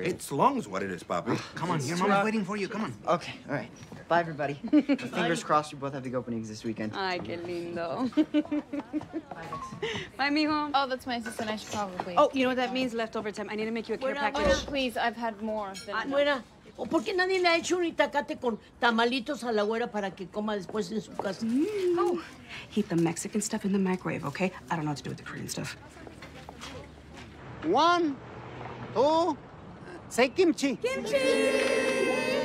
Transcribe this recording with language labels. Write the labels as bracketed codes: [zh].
[en] It's lungs what it is, Bobby. Come on, here, Mama's waiting for you. Come on. Okay, all right. Bye, everybody. Fingers crossed you both have the openings this weekend. [es] Ay, qué lindo. [en] Bye, mijo. Oh, that's my assistant. I should probably... Oh, you know what that means? Leftover time. I need to make you a care package. [es] Buena, [en] please. I've had more than... [es] Buena. ¿O por qué nadie le ha hecho un itacate con tamalitos a la güera para que coma después en su casa? [en] Oh, heat the Mexican stuff in the microwave, okay? I don't know what to do with the Korean stuff. One, two, say kimchi. Kimchi!